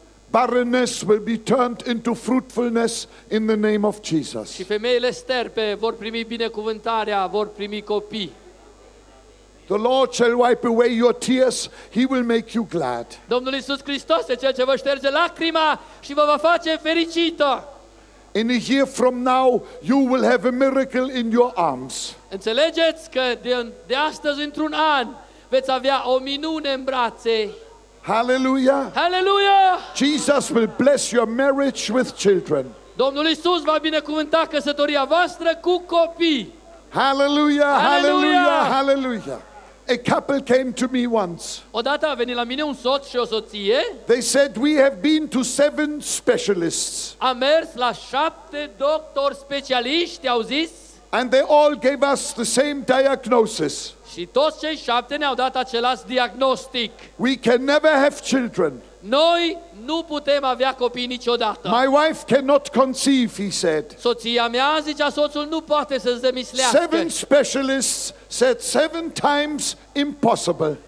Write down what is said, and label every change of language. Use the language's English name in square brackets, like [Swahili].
[English] Barrenness will be turned into fruitfulness in the name of Jesus. [Romanian] Și femeile sterpe vor primi binecuvântarea, vor primi copii. [English] The Lord shall wipe away your tears. He will make you glad. [Romanian] Domnul Iisus Hristos este cel ce vă șterge lacrima și vă va face fericită. [English] In a year from now, you will have a miracle in your arms. [Romanian] Înțelegeți că de astăzi într-un an veți avea o minune în brațe. [English] Hallelujah. Hallelujah. Jesus will bless your marriage with children. [Romanian] Domnul Iisus va binecuvânta căsătoria voastră cu copii. [English] Hallelujah, hallelujah, hallelujah. A couple came to me once. [Romanian] Odată a venit la mine un soț și o soție. [English] They said we have been to 7 specialists. [Romanian] Am mers la 7 doctori specialiști, au zis. [English] And they all gave us the same diagnosis. [Romanian] Și toți cei 7 ne-au dat același diagnostic. [English] We can never have children. [Romanian] Noi nu putem avea copii niciodată. [English] My wife cannot conceive, he said. [Romanian] Soția mea, zicea soțul, nu poate să zămislească. [English] 7 specialists said 7 times impossible.